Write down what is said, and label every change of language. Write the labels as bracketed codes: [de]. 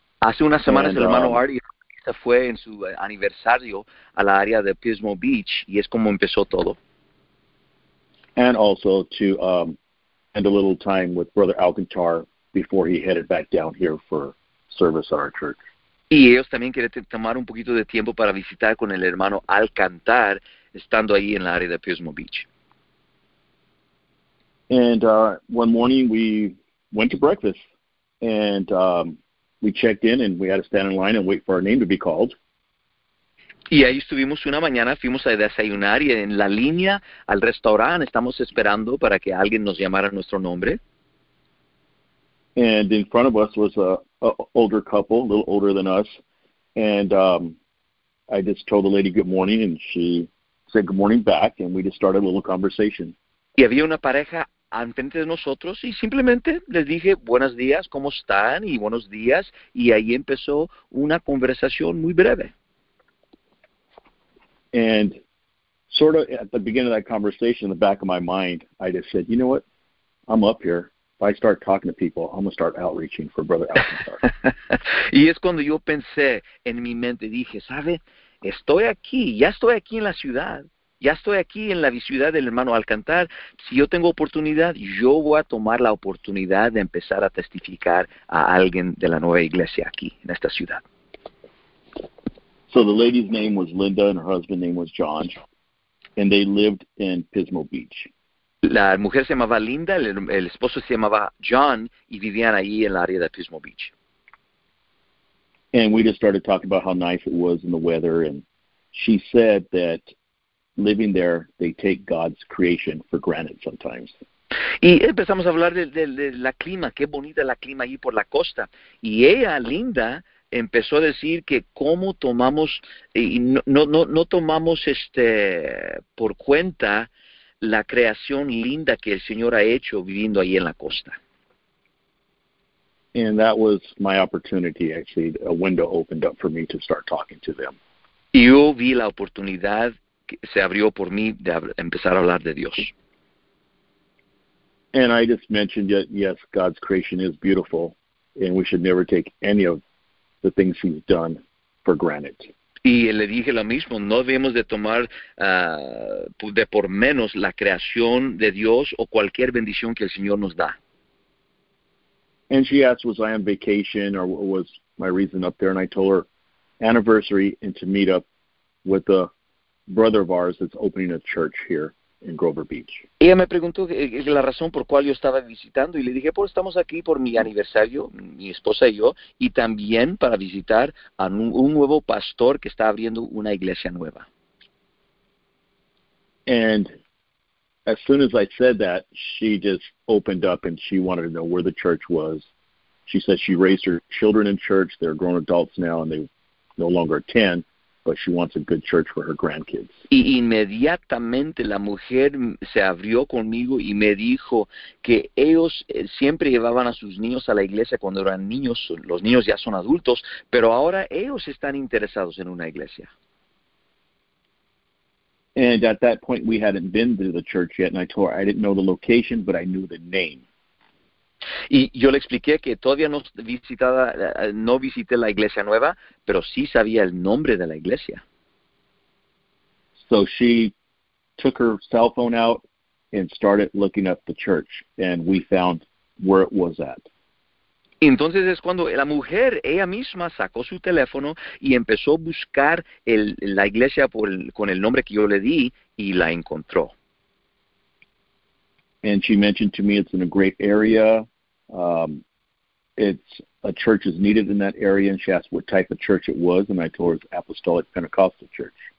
[es] Hace unas semanas, and, hermano Art, fue en su aniversario a la área de Pismo Beach y es como empezó todo. [en] And also to spend a little time with Brother Alcantar before he headed back down here for service at our church. [es] Y ellos también querían tomar un poquito de tiempo para visitar con el hermano Alcantar estando ahí en la área de Pismo Beach. [en] And one morning we went to breakfast and we checked in and we had to stand in line and wait for our name to be called. [es] Y ahí estuvimos una mañana, fuimos a desayunar y en la línea al restaurante estamos esperando para que alguien nos llamara nuestro nombre. [en] And in front of us was a older couple, a little older than us. And I just told the lady good morning and she said good morning back and we just started a little conversation. [es] Y había una pareja enfrente de nosotros y simplemente les dije buenos días, ¿cómo están? Y buenos días, y ahí empezó una conversación muy breve. [en] And sort of at the beginning of that conversation, in the back of my mind, I just said, you know what, I'm up here. I start talking to people, I'm going to start outreaching for Brother Alcantar. [es] Y es cuando yo pensé en mi mente, dije, ¿sabe? Estoy aquí, ya estoy aquí en la ciudad. Ya estoy aquí en la ciudad del hermano Alcantar. Si yo tengo oportunidad, yo voy a tomar la oportunidad de empezar a testificar a alguien de la nueva iglesia aquí, en esta ciudad. [en] So the lady's name was Linda and her husband's name was John. And they lived in Pismo Beach. [es] La mujer se llamaba Linda, el esposo se llamaba John y vivían ahí en la área de Pismo Beach. [en] And we just started talking about how nice it was in the weather and she said that living there, they take God's creation for granted sometimes. [es] Y empezamos a hablar de la clima, qué bonita la clima allí por la costa. Y ella, Linda, empezó a decir que cómo tomamos, y no tomamos por cuenta la creación linda que el Señor ha hecho viviendo ahí en la costa. [en] And that was my opportunity, actually. A window opened up for me to start talking to them. [es] Yo vi la oportunidad, se abrió por mí de empezar a hablar de Dios. [en] And I just mentioned that, yes, God's creation is beautiful, and we should never take any of the things he's done for granted. [es] Y le dije lo mismo, no debemos de tomar de por menos la creación de Dios o cualquier bendición que el Señor nos da. [en] And she asked, was I on vacation or what was my reason up there? And I told her, anniversary and to meet up with a brother of ours that's opening a church here in Grover Beach. [es] Ella me preguntó la razón por cual yo estaba visitando y le dije, pues estamos aquí por mi aniversario, mi esposa y yo, y también para visitar a un nuevo pastor que está abriendo una iglesia nueva. [en] And as soon as I said that, she just opened up and she wanted to know where the church was. She said she raised her children in church. They're grown adults now and they no longer attend, but she wants a good church for her grandkids. [es] Y inmediatamente la mujer se abrió conmigo y me dijo que ellos siempre llevaban a sus niños a la iglesia cuando eran niños, los niños ya son adultos, pero ahora ellos están interesados en una iglesia. [en] And at that point, we hadn't been to the church yet, and I told her I didn't know the location, but I knew the name. [es] Y yo le expliqué que todavía no visité la iglesia nueva, pero sí sabía el nombre de la iglesia. [en] So she took her cell phone out and started looking up the church, and we found where it was at. [es] Entonces es cuando la mujer, ella misma, sacó su teléfono y empezó a buscar la iglesia con el nombre que yo le di y la encontró. [en] And she mentioned to me it's in a great area. It's a church is needed in that area, and she asked what type of church it was, and I told her it's Apostolic Pentecostal Church.